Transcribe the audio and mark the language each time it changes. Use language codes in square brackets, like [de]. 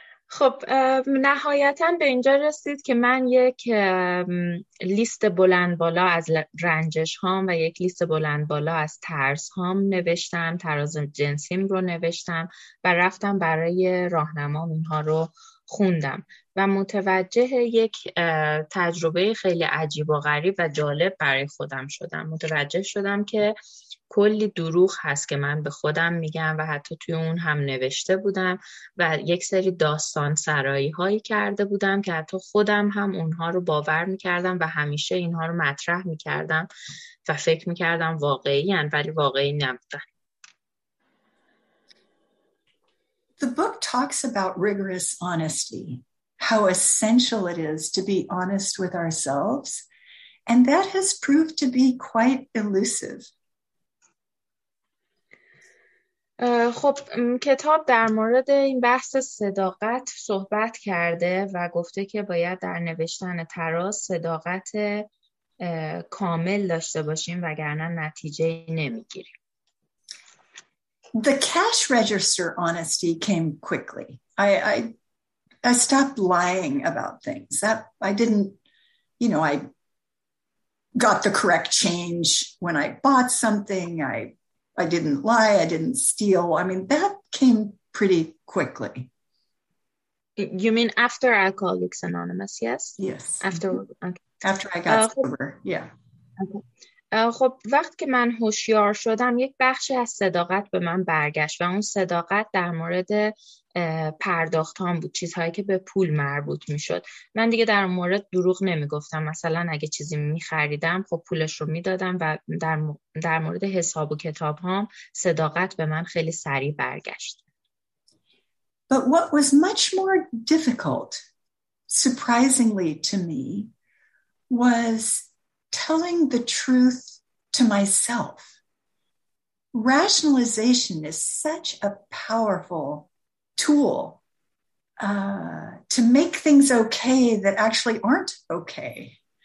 [fa] خب نهایتا به اینجا رسید که من یک لیست بلند بالا از رنجش هام و یک لیست بلند بالا از ترس هام نوشتم، تراز جنسیم رو نوشتم و رفتم برای راهنمام اینها رو خوندم و متوجه یک تجربه خیلی عجیب و غریب و جالب برای خودم شدم. متوجه شدم که کلی دروغ هست که من به خودم میگم و حتی توی اون هم نوشته بودم و یک سری داستان سرایی هایی کرده بودم که حتی خودم هم اونها رو باور میکردم و همیشه اینها رو مطرح میکردم و فکر میکردم واقعی هن ولی واقعی نبودن. [en] The book talks about rigorous honesty, how essential it is to be honest with ourselves, and that has proved to be quite elusive. [fa] خب کتاب در مورد این بحث صداقت صحبت کرده و گفته که باید در نوشتن تراز صداقت کامل داشته باشیم وگرنه نتیجه نمیگیریم. [en] The cash register honesty came quickly. I stopped lying about things. That I didn't, you know, I got the correct change when I bought something. I didn't lie, I didn't steal. I mean, that came pretty quickly. You mean after Alcoholics Anonymous, yes? Yes. After okay. After I got sober, yeah. Okay. [fa] خب وقتی که من هوشیار شدم یک بخشی از صداقت به من برگشت و اون صداقت در مورد پرداختام بود، چیزهایی که به پول مربوط می شد. من دیگه در مورد دروغ نمی گفتم، مثلا اگه چیزی می خریدم خب پولش رو می دادم و در مورد حساب و کتاب هام صداقت به من خیلی سریع برگشت. [en] But what was much more difficult, surprisingly to me, was telling the truth to myself. Rationalization is such a powerful tool to make things okay that actually aren't okay.